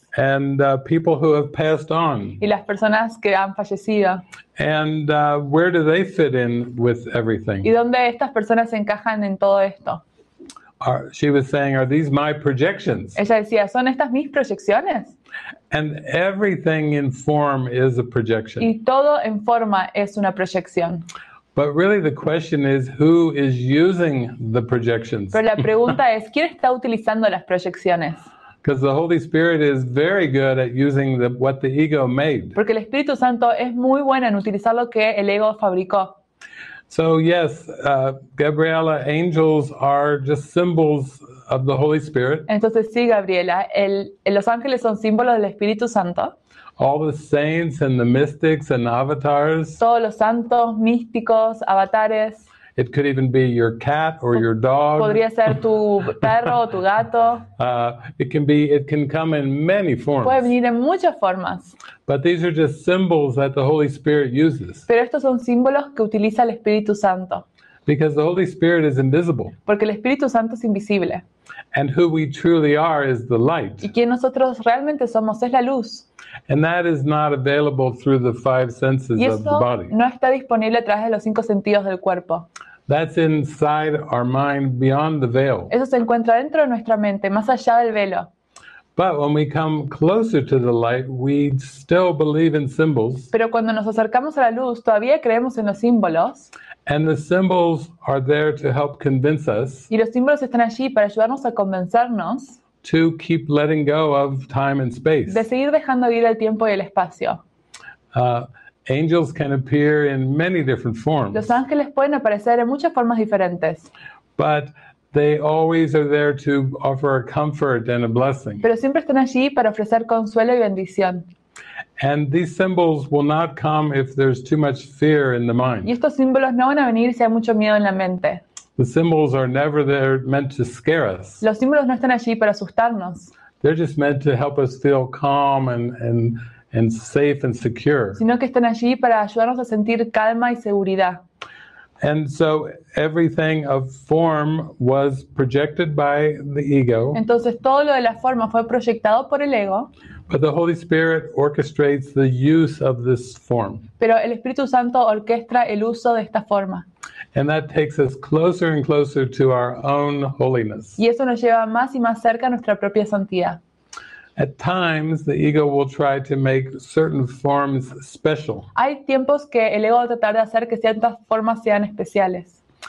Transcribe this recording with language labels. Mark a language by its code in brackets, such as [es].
[en] And people who have passed on. [es] Y las personas que han fallecido. [en] And where do they fit in with everything? [es] ¿Y dónde estas personas encajan en todo esto? [en] She was saying, are these my projections? [es] Ella decía, ¿son estas mis proyecciones? [en] And everything in form is a projection. [es] Y todo en forma es una proyección. [en] But really the question is, who is using the projections? [es] Pero la pregunta es, ¿quién está utilizando las proyecciones? [en] Because the Holy Spirit is very good at using what the ego made. [es] Porque el Espíritu Santo es muy bueno en utilizar lo que el ego fabricó. [en] So yes, Gabriela, angels are just symbols of the Holy Spirit. [es] Entonces sí, Gabriela, los ángeles son símbolos del Espíritu Santo. [en] All the saints and the mystics and avatars. [es] Todos los santos, místicos, avatares. [en] It could even be your cat or your dog. [es] Podría ser tu perro o tu gato. [en] It can come in many forms. [es] Puede venir en muchas formas. [en] But these are just symbols that the Holy Spirit uses. [es] Pero estos son símbolos que utiliza el Espíritu Santo. [en] Because the Holy Spirit is invisible. [es] Porque el Espíritu Santo es invisible. [en] And who we truly are is the light. [es] Y quien nosotros realmente somos es la luz. [en] And that is not available through the five senses of the body. [es] Y eso no está disponible a través de los cinco sentidos del cuerpo. [en] That's inside our mind beyond the veil. [es] Eso se encuentra dentro de nuestra mente, más allá del velo. [en] But when we come closer to the light, we still believe in symbols. [es] Pero cuando nos acercamos a la luz, todavía creemos en los símbolos. [en] And the symbols are there to help convince us. [es] Y los símbolos están allí para ayudarnos a convencernos. [en] To keep letting go of time and space. [es] De seguir dejando ir el tiempo y el espacio. [en] Angels can appear in many different forms. [es] Los ángeles pueden aparecer en muchas formas diferentes. [en] But they always are there to offer a comfort and a blessing. [es] Pero siempre están allí para ofrecer consuelo y bendición. [en] And these symbols will not come if there's too much fear in the mind. [es] Y estos símbolos no van a venir si hay mucho miedo en la mente. [en] The symbols are never there meant to scare us. [es] Los símbolos no están allí para asustarnos. [en] They're just meant to help us feel calm and and safe and secure. [es] Sino que están allí para ayudarnos a sentir calma y seguridad. [en] And so everything of form was projected by the ego. [es] Entonces todo lo de la forma fue proyectado por el ego. [en] But the Holy Spirit orchestrates the use of this form. [es] Pero el Espíritu Santo orquestra el uso de esta forma. [en] And that takes us closer and closer to our own holiness. [es] Y eso nos lleva más y más cerca a nuestra propia santidad. [en] At times, the ego will try to make certain forms special. [es] Hay tiempos que el ego va a tratar de hacer que ciertas formas sean especiales.